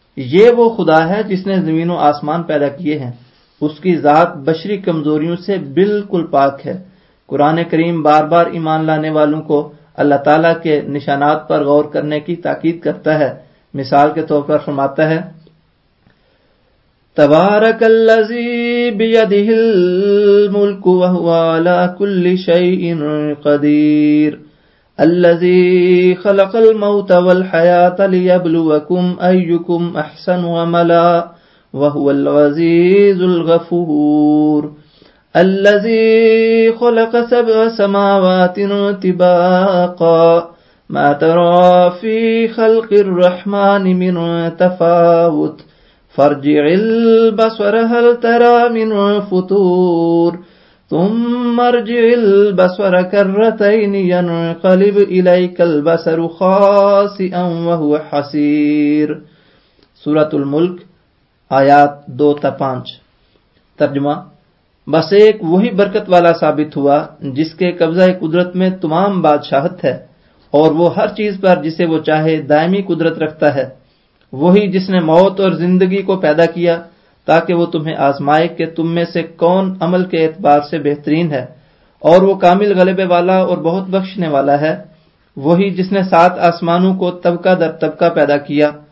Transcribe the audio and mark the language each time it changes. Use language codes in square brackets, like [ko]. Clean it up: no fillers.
[ur] یہ وہ خدا ہے جس نے زمین و آسمان پیدا کیے ہیں، اس کی ذات بشری کمزوریوں سے بالکل پاک ہے۔ قرآن کریم بار بار ایمان لانے والوں کو اللہ تعالیٰ کے نشانات پر غور کرنے کی تاکید کرتا ہے۔ مثال کے طور پر فرماتا ہے، [ar] تبارک الذی بیدہ الملک وہو علی کل شیء قدیر الذی خلق الموت والحیاۃ لیبلوکم ایکم احسن عملا وہو العزیز الغفور الذی خلق سبع سماوات طباقا ما ترى في خلق الرحمن من تفاوت فارجع البصر هل ترى من فطور ثم ارجع البصر كرتين ينقلب إليك البصر خاسئا وهو حسير۔ [ur] سورة الملک آیات 2-5۔ ترجمہ، بس ایک وہی برکت والا ثابت ہوا جس کے قبضہ قدرت میں تمام بادشاہت ہے، اور وہ ہر چیز پر جسے وہ چاہے دائمی قدرت رکھتا ہے۔ وہی جس نے موت اور زندگی کو پیدا کیا تاکہ وہ تمہیں آزمائے کہ تم میں سے کون عمل کے اعتبار سے بہترین ہے، اور وہ کامل غلبے والا اور بہت بخشنے والا ہے۔ وہی جس نے سات آسمانوں کو طبقہ در طبقہ پیدا کیا